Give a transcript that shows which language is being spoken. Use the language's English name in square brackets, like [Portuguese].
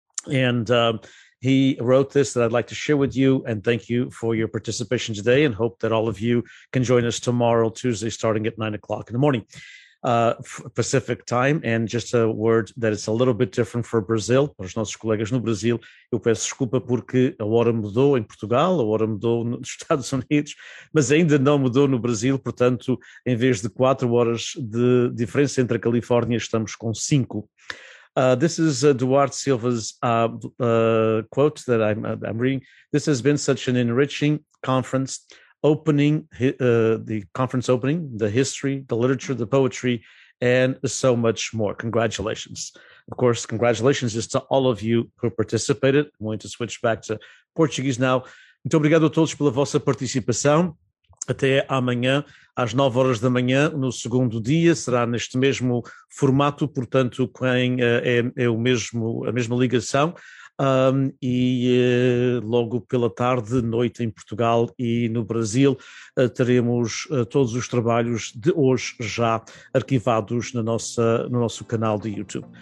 [English] And he wrote this that I'd like to share with you, and thank you for your participation today, and hope that all of you can join us tomorrow, Tuesday, starting at 9 o'clock in the morning, Pacific time. And just a word that it's a little bit different for Brazil, [Portuguese] para os nossos colegas no Brasil. Eu peço desculpa porque a hora mudou em Portugal, a hora mudou nos Estados Unidos, mas ainda não mudou no Brasil. Portanto, em vez de 4 horas de diferença entre a Califórnia, estamos com 5. [English] This is Duarte Silva's quote that I'm reading. This has been such an enriching conference, opening the conference opening, the history, the literature, the poetry, and so much more. Congratulations. Of course, congratulations is to all of you who participated. I'm going to switch back to Portuguese now. [Portuguese] Muito obrigado a todos pela vossa participação. Até amanhã, às 9 horas da manhã, no segundo dia, será neste mesmo formato, portanto, quem é a mesma ligação, e logo pela tarde, noite em Portugal e no Brasil, teremos todos os trabalhos de hoje já arquivados no nosso canal do YouTube.